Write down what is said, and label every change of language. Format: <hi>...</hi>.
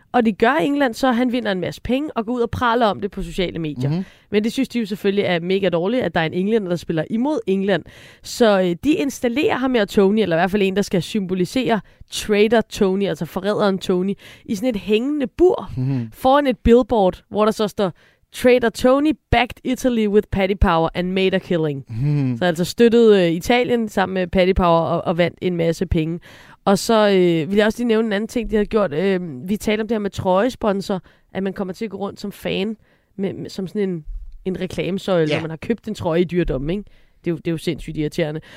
<da>Og det gør England, så han vinder en masse penge og går ud og praler om det på sociale medier. Mm-hmm. Men det synes de jo selvfølgelig er mega dårligt, at der er en englænder, der spiller imod England. Så de installerer ham her Tony, eller i hvert fald en, der skal symbolisere trader Tony, altså forræderen Tony, i sådan et hængende bur foran et billboard, hvor der så står...</da> <en>Trader Tony backed Italy with Paddy Power and made a killing.</en> <da>Så altså støttede Italien sammen med Paddy Power og vandt en masse penge. Og så vil jeg også lige nævne en anden ting, de har gjort. Vi talte om det her med trøjesponsor, at man kommer til at gå rundt som fan, som sådan en reklamesøjle, når man har købt en trøje i dyrdom, ikke? Det er jo sindssygt irriterende.</da>